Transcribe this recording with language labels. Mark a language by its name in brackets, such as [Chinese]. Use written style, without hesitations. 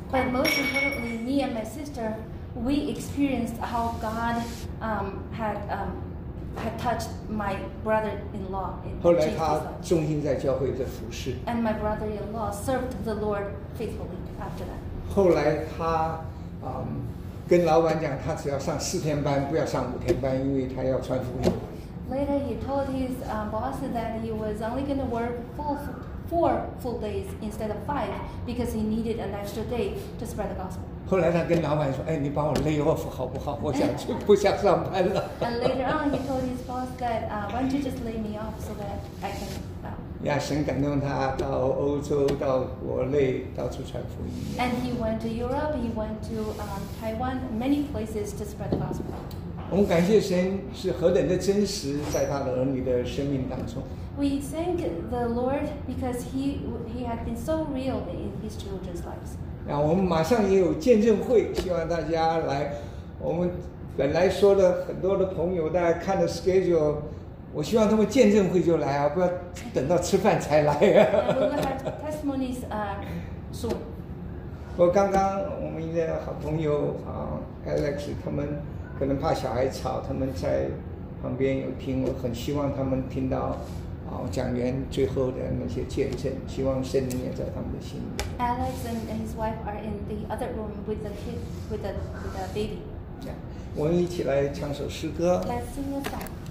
[English] But most importantly, me and my sister, we experienced how God had touched my brother-in-law in Jesus. [Chinese] 后来他忠心在教会的服事 [English] And my brother-in-law served the Lord faithfully after that. [Chinese] 后来他跟老板讲，他只要上4天班，不要上5天班，因为他要传福音。 [English] Later, he told his boss that he was only going to work four full days instead of 5 because he needed an extra day to spread the gospel. [Chinese] 后来他跟老板说，哎，你帮我 [English] lay off [Chinese] 好不好？我想去，不想上班了。 [English] And later on, he told his boss that, why don't you just lay me off so that I can. [Chinese] 呀，神感动他到欧洲、到国内到处传福音。 [English] And he went to Europe. He went to Taiwan, many places to spread the gospel. [Chinese] 我们感谢神是何等的真实，在他的儿女的生命当中。 [English] We thank the Lord because he had been so real in his children's lives. [Chinese] 那我们马上也有见证会，希望大家来。我们本来说的很多的朋友，大家看的 schedule。我希望他们见证会就来啊，不要等到吃饭才来啊。 [English] We will have testimonies soon. [Chinese] 我刚刚我们一个好朋友Alex， 他们可能怕小孩吵，他们在旁边有听。我很希望他们听到讲员最后的那些见证，希望圣灵也在他们的心里。 [English] Alex and his wife are in the other room with the kid, with the baby. [Chinese] Yeah. 我们一起来唱首诗歌。 [English] Let's sing a song.